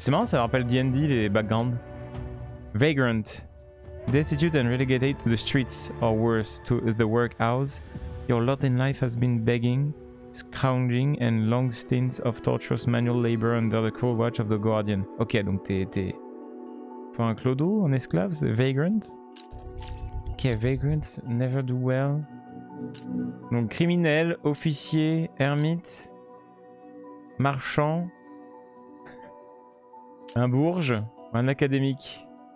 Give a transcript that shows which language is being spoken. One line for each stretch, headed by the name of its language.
French: C'est marrant, ça me rappelle D&D, les backgrounds.
English: Vagrant. Destitute and relegated to the streets, or worse, to the workhouse. Your lot in life has been begging, scrounging, and long stints of torturous manual labor under the cruel watch of the Guardian.
French: Ok, donc t'es pas un clodo, un esclave, c'est vagrant.
English: Ok, vagrant, never do well.
French: Donc criminel, officier, ermite, marchand, un bourge, un académique.